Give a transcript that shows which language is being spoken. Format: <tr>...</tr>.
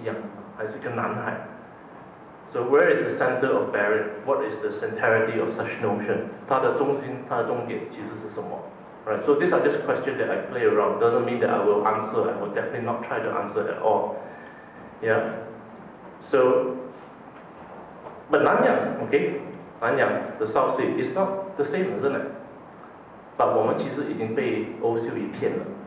<zh>这个所谓的南洋跟东南亚是一样吗？还是跟南海?</zh> <en>So where is the center of barrier? What is the centrality of such notion?</en> <zh>它的中心，它的终点其实是什么?</zh> <en>Right. So these are just questions that I play around. Doesn't mean that I will answer. I will definitely not try to answer at all. Yeah. So. But Nanyang, okay? Nanyang, the South Sea, is not the same, isn't it?</en> <zh>But 我们其实已经被欧洲语骗了.</zh>